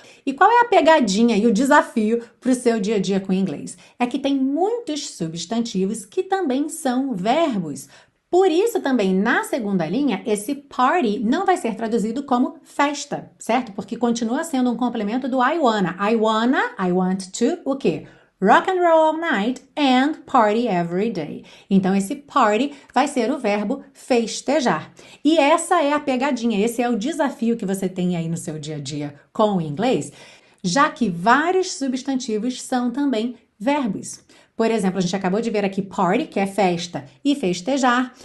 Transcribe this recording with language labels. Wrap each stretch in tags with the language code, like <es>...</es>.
<pt>E qual é a pegadinha e o desafio para o seu dia a dia com inglês? É que tem muitos substantivos que também são verbos. Por isso também na segunda linha esse party não vai ser traduzido como festa, certo? Porque continua sendo um complemento do</pt> <en>I wanna. I wanna, I want to,</en> <pt>o quê?</pt> <en>Rock and roll all night and party every day.</en> <pt>Então, esse party vai ser o verbo festejar. E essa é a pegadinha, esse é o desafio que você tem aí no seu dia a dia com o inglês, já que vários substantivos são também verbos. Por exemplo, a gente acabou de ver aqui party, que é festa, e festejar.</pt>